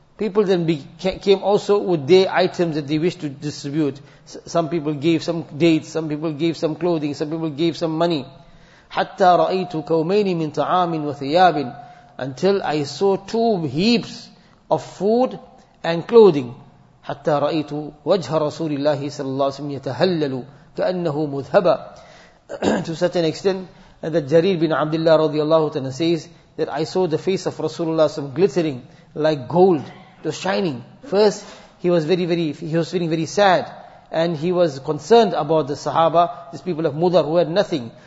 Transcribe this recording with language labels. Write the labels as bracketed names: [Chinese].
[English] People then came also with their items that they wished to distribute. Some people gave some dates, some people gave some clothing, some people gave some money. [Arabic] حتى رأيت كومين من طعام وثياب, [English] until I saw two heaps of food and clothing. [Arabic] حتى رأيت وجه رسول الله صلى الله عليه وسلم يتهلل كأنه مذهب. [English] To such an extent that Jarir bin Abdullah رضي الله عنه says that I saw the face of Rasulullah صلى الله عليه وسلم glittering like gold. It was shining. First, he was feeling very sad, and he was concerned about the Sahaba, these people of Mudhar who had nothing.